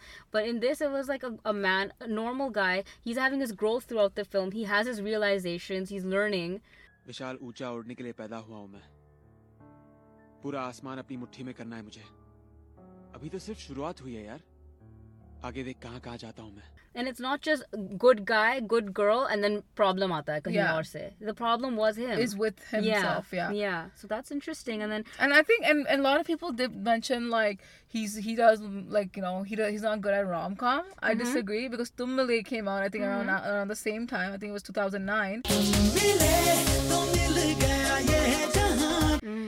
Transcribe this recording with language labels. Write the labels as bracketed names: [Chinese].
[English] But in this, it was like a man, a normal guy. He's having his growth throughout the film. He has his realizations. He's learning. [Hindi] विशाल, ऊँचा उड़ने के लिए पैदा हुआ हूँ मैं. पूरा आसमान अपनी मुट्ठी में करना है मुझे. अभी तो सिर्फ़ शुरुआत हुई है, यार. आगे देख कहाँ कहाँ जाता हूँ मैं. [English] And it's not just good guy, good girl, and then problem [Hindi] aata hai kahin aur se. [English] The problem was him. Is with himself, Yeah. So that's interesting. And then... and I think... And a lot of people did mention, like, he does, like, you know, he's not good at rom-com. Mm-hmm. I disagree. Because Tum Mile came out, I think, around the same time. I think it was 2009.